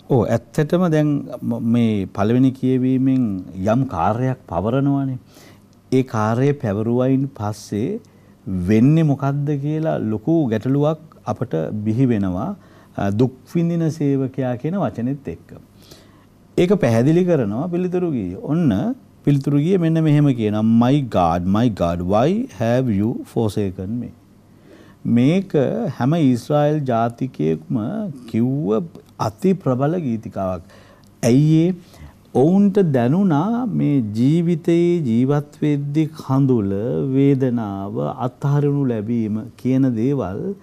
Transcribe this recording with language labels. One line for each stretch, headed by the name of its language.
Sinhala: ඔව්, ඇත්තටම දැන් මේ පළවෙනි කියවීමෙන් යම් කාර්යයක් පවරනවානේ. ඒ කාර්යය පැවරුවයින් පස්සේ වෙන්නේ මොකද්ද කියලා ලොකු ගැටලුවක් අපට බිහි වෙනවා දුක් විඳින සේවකයා කියන වචනෙත් එක්ක. ඒක පැහැදිලි කරනවා පිළිතුරු ගියේ. ඔන්න පිළිතුරු ගියේ මෙන්න මෙහෙම කියනවා.
English: My God, why have you forsaken me?
Sinhala: මේක හැම ඊශ්‍රායෙල් ජාතිකයෙක්ම කිව්ව අති ප්‍රබල ගීතිකාවක්. ඇයි ඒ? ඔවුන්ට දැනුණා මේ ජීවිතයේ ජීවත් වෙද්දී කඳුල, වේදනාව, අත්හරිනු ලැබීම කියන දේවල්